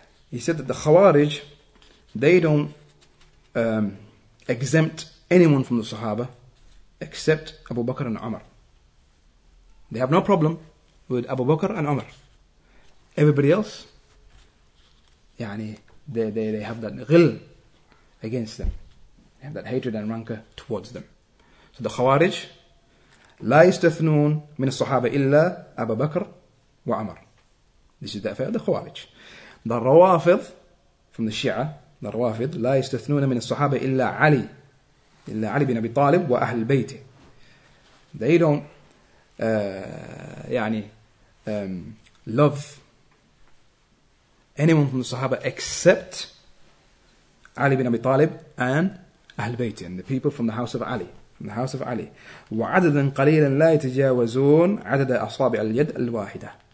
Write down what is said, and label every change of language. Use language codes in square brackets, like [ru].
[en] He said that the Khawarij, they don't exempt anyone from the Sahaba except Abu Bakr and Umar. They have no problem with Abu Bakr and Umar. Everybody else, yani, they have that ghil against them. They have that hatred and rancor towards them. So the Khawarij, [ar] لا يستثنون من الصحابة إلا أبو بكر وعمر. [en] This is the affair of the Khawarij. The Rawafid, from the Shia, the Rawafid, [ar] لا يستثنون من الصحابة إلا علي. إلا علي بن أبي طالب وأهل بيته. [en] They don't love anyone from the Sahaba except Ali bin Abi Talib and Ahl Bayt, and the people from the house of Ali. From the house of Ali. [ar] وَعَدَدًا قَلِيلًا لَا يَتَجَاوَزُونَ عَدَدَ أَصَابِعَ الْيَدِ الْوَاحِدَةِ.